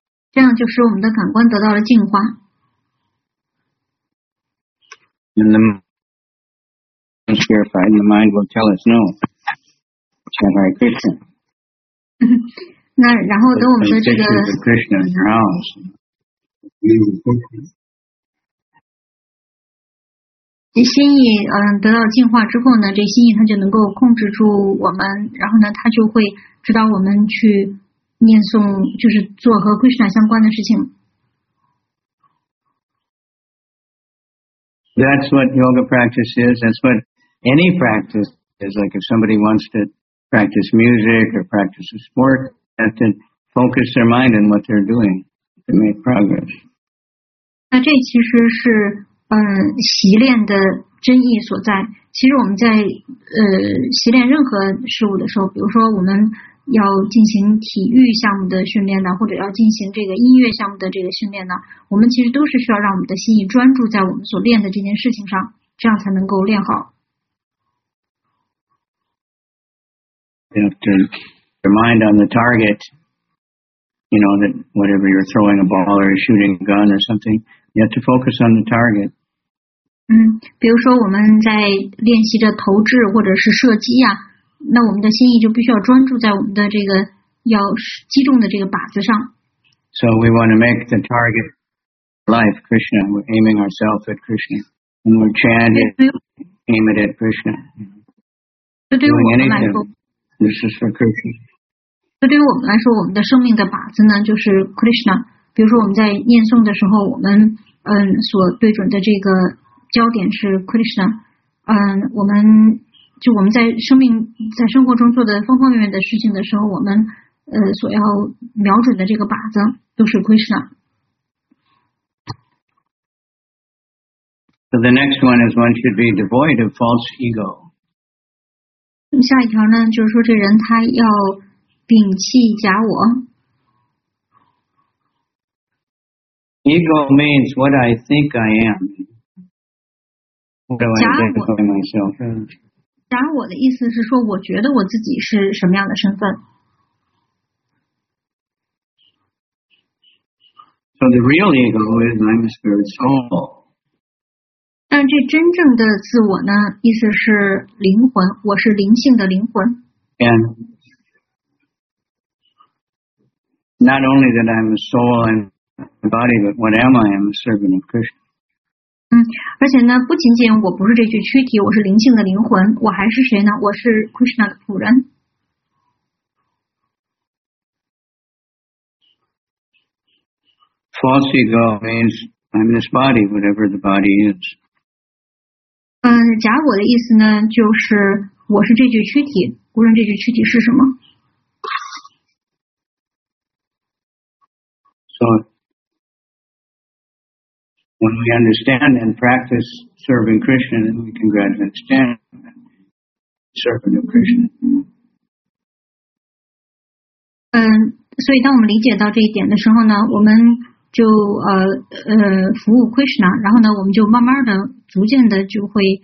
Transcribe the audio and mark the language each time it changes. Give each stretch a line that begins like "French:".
Chinese: 这样就使我们的感官得到了净化。
English: And the mind is purified, the mind will tell us no. Chant Hare Krishna.
Chinese: 那然后等我们的这个
English: Krishna arouses.
Chinese: The 心意得到净化之后呢，这心意它就能够控制住我们，然后呢，它就会指导我们去。念诵就是做和 Krishna 相关的事情。
English: That's what yoga practice is. That's what any practice is. Like if somebody wants to practice music or practice a sport, they have to focus their mind on what they're doing to make progress.
Chinese: 那这其实是习练的真意所在。其实我们在习练任何事物的时候，比如说我们。要进行体育项目的训练呢，或者要进行这个音乐项目的这个训练呢，我们其实都是需要让我们的心意专注在我们所练的这件事情上，这样才能够练好。
English: You have to your mind on the target. You know that whatever you're throwing a ball or shooting a gun or something, you have to focus on the target.
Chinese: 比如说我们在练习着投掷或者是射击呀。那我们的心意就必须要专注在我们的这个要击中的这个靶子上。
English: So we want to make the target life Krishna. We're aiming ourselves at Krishna, and we're chanting, aim it at Krishna.
Chinese: 这对于我们来说
English: ，This is for Krishna.
Chinese: 这对于我们来说，我们的生命的靶子呢，就是 Krishna. 比如说我们在念诵的时候，我们所对准的这个焦点是 Krishna. 我们。就我们在生命在生活中做的方方面面的事情的时候，我们所要瞄准的这个靶子都是 Krishna。
English: So the next one is one should be devoid of false ego.
Chinese: 下一条呢，就是说这人他要摒弃假我。
English: Ego means what I think I am. What do I think of myself?
Chinese: 假我的意思是说，我觉得我自己是什么样的身份。
English: So the real ego is I'm a spirit soul.
Chinese: 但这真正的自我呢，意思是灵魂，我是灵性的灵魂。
English: And not only that I'm a soul and body, but what am I? I'm a servant of Krishna.
Chinese: 而且呢，不仅仅我不是这具躯体，我是灵性的灵魂，我还是谁呢？我是 Krishna 的仆人。
English: False ego means I'm this body, whatever the body is.
Chinese: 假我的意思呢，就是我是这具躯体，无论这具躯体是什么。
English: So, when we understand and practice serving Krishna, then we can gradually understand serving of Krishna.
Chinese: 所以当我们理解到这一点的时候呢，我们就服务 Krishna， 然后呢，我们就慢慢的、逐渐的就会。